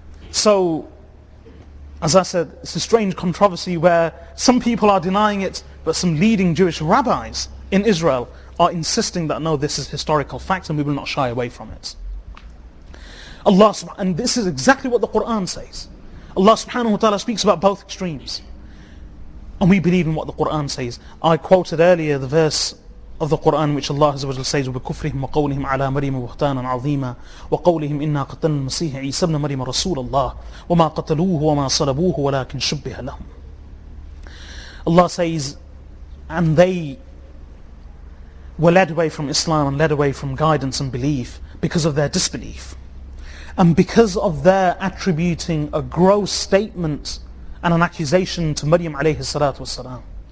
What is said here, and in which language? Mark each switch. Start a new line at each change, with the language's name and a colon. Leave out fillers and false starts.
English: So, as I said, it's a strange controversy where some people are denying it, but some leading Jewish rabbis in Israel are insisting that, no, this is historical fact and we will not shy away from it. And this is exactly what the Qur'an says. Allah subhanahu wa ta'ala speaks about both extremes. And we believe in what the Qur'an says. I quoted earlier the verse of the Qur'an which Allah Azza wa Jalla says,
Arabic: وَبِكُفْرِهِمْ وَقَوْلِهِمْ عَلَى مَرِيمَ وَبُهْتَانًا عَظِيمًا وَقَوْلِهِمْ إِنَّا قَتَلْنَا الْمَسِيحَ عِيسَى ابْنَ مَرْيَمَ رَسُولَ اللَّهِ وَمَا قَتَلُوهُ وَمَا صَلَبُوهُ وَلَكِنْ شُبِّهَ لَهُمْ.
English: Allah says, and they were led away from Islam and led away from guidance and belief because of their disbelief and because of their attributing a gross statement and an accusation to Maryam alayhi salatu wasalam.